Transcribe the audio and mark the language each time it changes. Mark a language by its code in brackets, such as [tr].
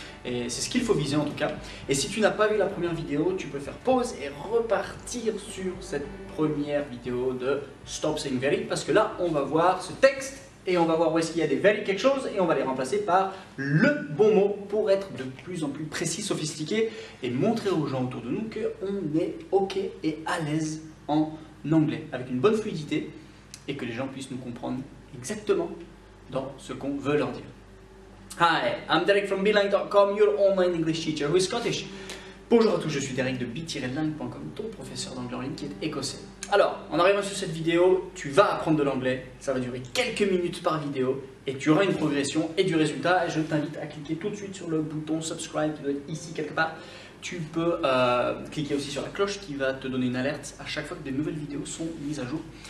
[fr] Et c'est ce qu'il faut viser en tout cas. Et si tu n'as pas vu la première vidéo, tu peux faire pause et repartir sur cette première vidéo de Stop Saying Very, parce que là on va voir ce texte et on va voir où est-ce qu'il y a des very quelque chose et on va les remplacer par le bon mot pour être de plus en plus précis, sophistiqué et montrer aux gens autour de nous qu'on est ok et à l'aise en anglais avec une bonne fluidité et que les gens puissent nous comprendre exactement dans ce qu'on veut leur dire. [en] Hi, I'm Derek from Beeline.com, your online English teacher who is Scottish. [fr] Bonjour à tous, je suis Derek de B-Line.com, ton professeur d'anglais en ligne qui est écossais. Alors, en arrivant sur cette vidéo, tu vas apprendre de l'anglais, ça va durer quelques minutes par vidéo et tu auras une progression et du résultat. Je t'invite à cliquer tout de suite sur le bouton subscribe qui doit être ici quelque part. Tu peux cliquer aussi sur la cloche qui va te donner une alerte à chaque fois que des nouvelles vidéos sont mises à jour.